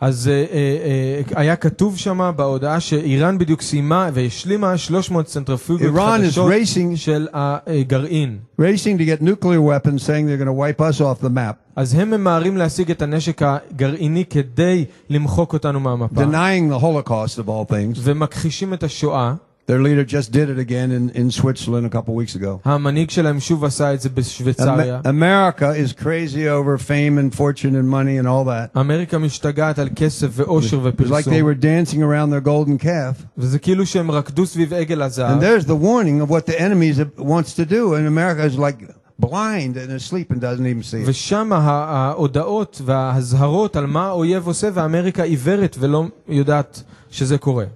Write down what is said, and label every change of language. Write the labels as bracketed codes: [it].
[he] אז היה כתוב שמה בהודעה שאיראן בדיוק סיימה והשלימה 300 סנטריפוגות חדשות של הגרעין. [en] Racing to get nuclear weapons saying they're going to wipe us off the map. [he] אז הם ממהרים להשיג את הנשק הגרעיני כדי למחוק אותנו מהמפה. [en] Denying the Holocaust of all things. [he] ומכחישים את השואה. [en] Their leader just did it again in Switzerland a couple weeks ago. [he] המנהיג שלהם שוב עשה את זה בשוויצריה. [en] America is crazy over fame and fortune and money and all that. [he] אמריקה משתגעת על כסף ואושר ופרסום. [en] It's like they were dancing around their golden calf. [he] וזה כאילו שהם רקדו סביב עגל הזהב. [en] And there's the warning of what the enemy wants to do, and America is like blind and asleep and doesn't even see it. [he] ושם ההודעות וההזהרות על מה האויב עושה, ואמריקה עיוורת ולא יודעת שזה קורה.